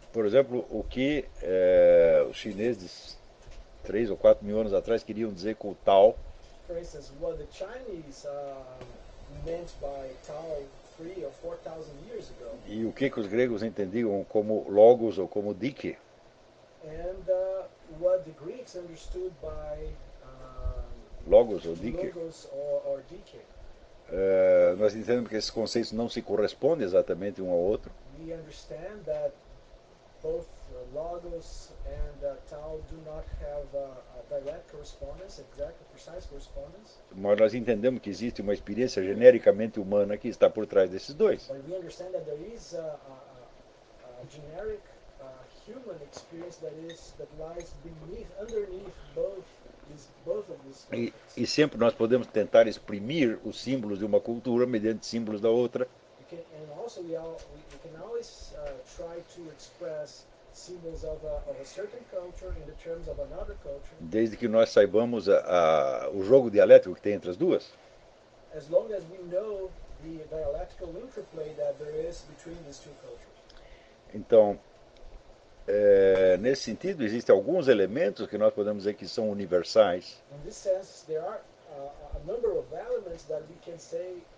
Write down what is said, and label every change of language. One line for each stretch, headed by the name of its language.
Portuguese: Por exemplo, o que os chineses 3 ou 4 mil anos atrás queriam dizer com o Tao.
English: For instance, what the Chinese meant by Tao 3 or 4,000 years ago.
Portuguese: E o que os gregos entendiam como logos ou como dike.
English: And what the Greeks understood by
Portuguese: logos ou dike.
English: Logos or dike.
Portuguese: Nós entendemos que esses conceitos não se correspondem exatamente um ao outro.
English: We understand that both logos and tau do not have a direct correspondence, exact precise correspondence.
Portuguese: Mas nós entendemos que existe uma experiência genericamente humana que está por trás desses dois.
English: But we understand that there is a generic human experience that lies underneath both of these.
Portuguese: E sempre nós podemos tentar exprimir os símbolos de uma cultura mediante símbolos da outra.
English: And also we can always try to express symbols of a certain culture in the terms of another culture.
Portuguese: Desde que nós saibamos o jogo dialético que tem entre as duas.
English: As long as we know the dialectical interplay that there is between these two cultures.
Portuguese: Então, nesse sentido, existem alguns elementos que nós podemos dizer que são universais.
English: In this sense, there are a number of elements that we can say